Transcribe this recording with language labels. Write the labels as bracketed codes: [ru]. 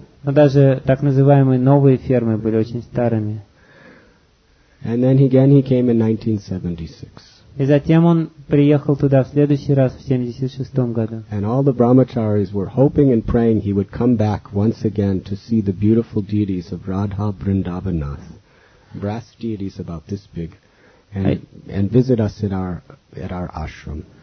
[ru] Но даже так называемые новые фермы были очень старыми. [en] And then again he came in 1976. [ru] И затем он приехал туда в следующий раз в 76 году. [en] And all the brahmacharis were hoping and praying he would come back once again to see the beautiful deities of Radha Vrindavanath, brass deities about this big. And visit us at our ashram.